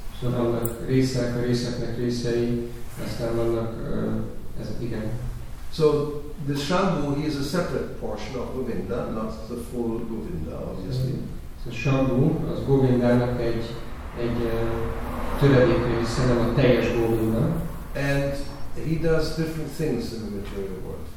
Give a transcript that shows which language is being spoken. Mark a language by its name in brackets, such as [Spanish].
[Hungarian] So vannak részek, a részeknek részei, aztán vannak ezek, igen. [English] So the Shambhu, he is a separate portion of Govinda, not the full Govinda, obviously. [Hungarian] So Shambhu, az Govindának egy töredék része, nem a teljes Govinda. [English] And he does different things in the material world.